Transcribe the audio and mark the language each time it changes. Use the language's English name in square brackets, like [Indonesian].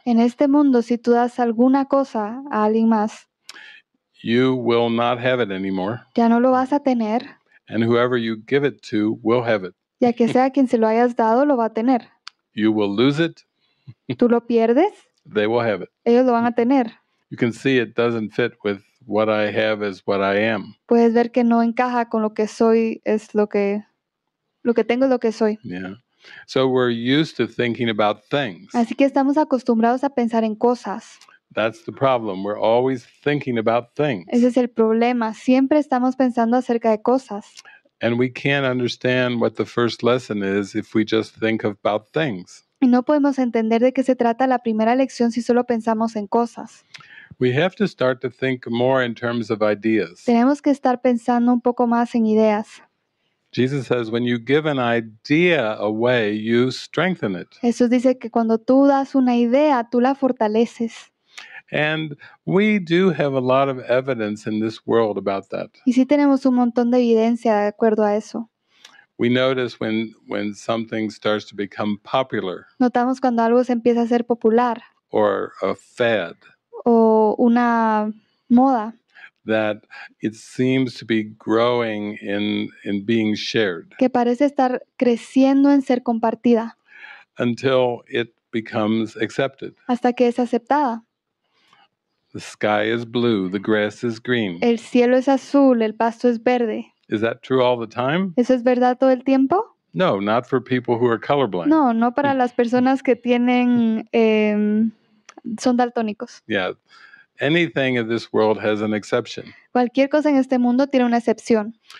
[Spanish] en este mundo, si tú das alguna cosa a alguien más, [English] you will not have it anymore. [Spanish] Ya no lo vas a tener. [English] And whoever you give it to will have it. [Spanish] Ya que sea quien se lo hayas dado, lo va a tener. [English] You will lose it. [Spanish] Tú lo pierdes. [English] They will have it. [Spanish] Ellos lo van a tener. [English] You can see it doesn't fit with what I have is what I am. [Spanish] Puedes ver que no encaja con lo que soy es lo que tengo es lo que soy. [English] Yeah. So we're used to thinking about things. [Spanish] Así que estamos acostumbrados a pensar en cosas. [English] That's the problem. We're always thinking about things. [Spanish] Ese es el problema. Siempre estamos pensando acerca de cosas. [English] And we can't understand what the first lesson is if we just think about things. [Spanish] Y no podemos entender de qué se trata la primera lección si solo pensamos en cosas. [English] We have to start to think more in terms of ideas. [Spanish] Tenemos que estar pensando un poco más en ideas. [English] Jesus says, when you give an idea away, you strengthen it. [Spanish] Jesús dice que cuando tú das una idea, tú la fortaleces. [English] And we do have a lot of evidence in this world about that. [Spanish] Y sí tenemos un montón de evidencia de acuerdo a eso. [English] We notice when something starts to become popular. [Spanish] Notamos cuando algo se empieza a ser popular. [English] Or a fad. [Spanish] O una moda. [English] That it seems to be growing in being shared. [Spanish] Que parece estar creciendo en ser compartida. [English] Until it becomes accepted. [Spanish] Hasta que es aceptada. [English] The sky is blue, the grass is green. [Spanish] El cielo es azul, el pasto es verde. [English] Is that true all the time? [Spanish] ¿Eso es verdad todo el tiempo? [English] No, not for people who are colorblind. [Spanish] No, no para las personas que tienen son daltónicos. [English] Yeah. Anything in this world has an exception. [Spanish] Cualquier cosa en este mundo tiene una excepción.